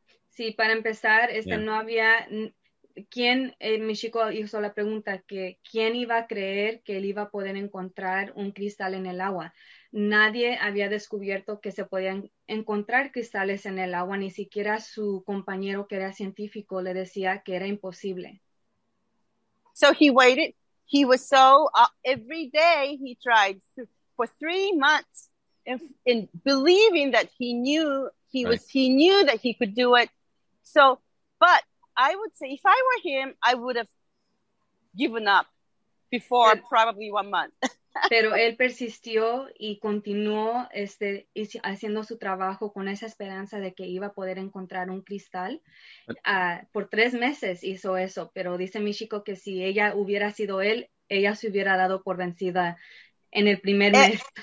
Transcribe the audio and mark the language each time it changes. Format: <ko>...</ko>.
<es>Sí, para empezar, no había quien, mi chico hizo la pregunta que quién iba a creer que él iba a poder encontrar un cristal en el agua. Nadie había descubierto que se podían encontrar cristales en el agua, ni siquiera su compañero que era científico le decía que era imposible.</es> <en>So he waited. He was so, every day he tried for 3 months in believing that he knew he knew that he could do it. So, but I would say if I were him, I would have given up before probably 1 month.</en> <es>Pero él persistió y continuó haciendo su trabajo con esa esperanza de que iba a poder encontrar un cristal. Por tres meses hizo eso, pero dice mi chico que si ella hubiera sido él, ella se hubiera dado por vencida en el primer mes.</es>